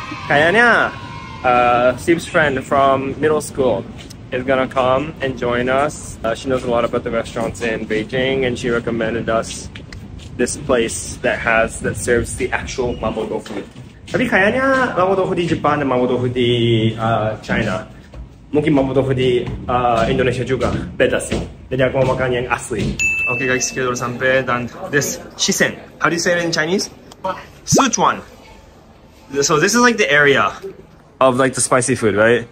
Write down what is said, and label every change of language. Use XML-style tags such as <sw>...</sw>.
<id>Kayaknya</id> <en>Steve's friend from middle school is gonna come and join us. She knows a lot about the restaurants in Beijing and she recommended us this place that has, that serves the actual mapo tofu.</en> <id>Tapi kayaknya mapo tofu di Jepang dan mapo tofu di China, mungkin mapo tofu di Indonesia juga beda sih. Jadi aku mau makan yang asli.</id> <en>Okay guys,</en> <id>kita udah sampai dan this Shisen.</id> <en>How do you say it in Chinese? Sichuan. So this is like the area of like the spicy food, right?</en>